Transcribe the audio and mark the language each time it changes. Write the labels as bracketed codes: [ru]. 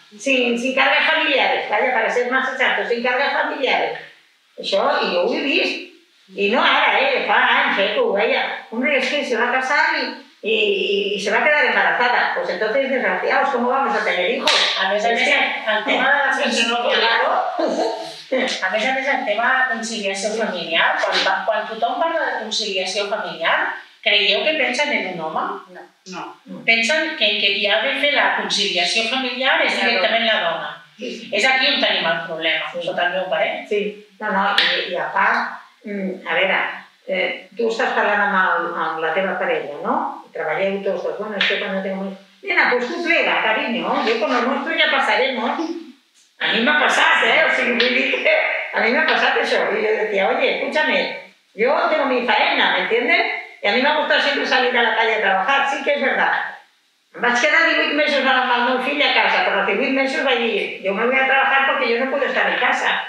[es] Sin cargas familiares, vaya, para ser más exacto, sin cargas familiares. [ca] Això, i jo ho he vist. I no ara, fa anys, que ho veia. [es] Hombre, es que se va a casar y se va a quedar embarazada. Pues entonces, desgraciados, ¿cómo vamos a tener hijos? [ca] A més, al tema de la conciliació, [es] claro. [ca] A més, el tema de la conciliació familiar, quan tothom parla de conciliació familiar, creieu que pensen en un home? No. Pensen que el que hi ha de fer la conciliació familiar és directament la dona. Sí. És aquí on tenim el problema, sota el meu parell. Sí. No, i a part, a veure, tu estàs parlant amb la teva parella, no? Treballeu tots dos. Bueno, és que quan no tengo... [es] Nena, pues tu plega, cariño. Yo con el monstruo ya pasaré, ¿no? [ca] A mí m'ha passat, ¿eh? O sigui, vull dir que a mí m'ha passat això. I jo [es] decía, oye, escúchame, yo tengo mi faena, ¿me entiendes? Y a mí me gusta siempre salir a la calle a trabajar, sí que es verdad. [ca] Me vaig quedar 18 mesos amb el meu fill a casa, però els 18 mesos vaig dir, [es] yo me voy a trabajar porque yo no puedo estar en casa.